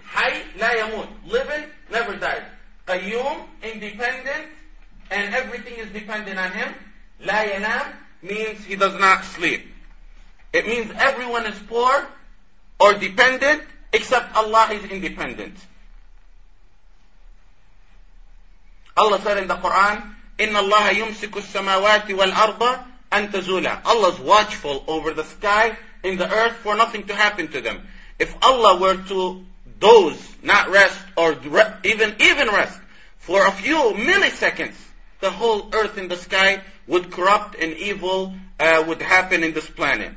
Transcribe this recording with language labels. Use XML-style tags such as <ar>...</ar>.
<en>Hay, la yamut, living, never dies. Qayyum, independent, and everything is dependent on Him. La yanam means He does not sleep. It means everyone is poor or dependent, except Allah is independent. Allah said in the Quran,</en> <ar>إِنَّ اللَّهَ يُمْسِكُ السَّمَاوَاتِ وَالْأَرْضَ أَن تَزُولَ.</ar> <en>Allah is watchful over the sky and the earth for nothing to happen to them. If Allah were to doze, not rest, or even rest, for a few milliseconds, the whole earth and the sky would corrupt and evil would happen in this planet.</en>